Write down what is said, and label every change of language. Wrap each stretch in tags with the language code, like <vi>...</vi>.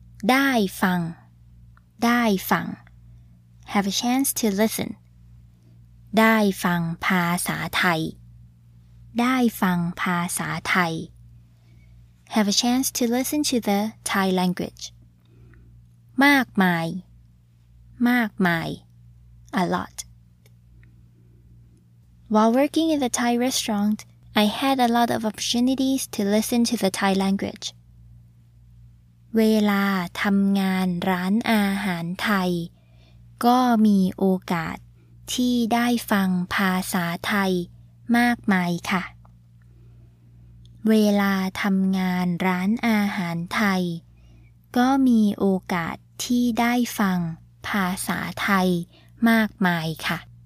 <th>ได้ฟังได้ฟัง</th> <en>have a chance to listen</en> <th>ได้ฟังภาษาไทยได้ฟังภาษาไทย</th> <en>Have a chance to listen to the Thai language.</en> <th>มากมาย มากมาย</th> <en>A lot. While working in the Thai restaurant, I had a lot of opportunities to listen to the Thai language.</en> <th>เวลาทำงานร้านอาหารไทยก็มีโอกาสที่ได้ฟังภาษาไทยมากมายค่ะเวลาทำงานร้านอาหารไทยก็มีโอกาสที่ได้ฟังภาษาไทยมากมายค่ะ</th>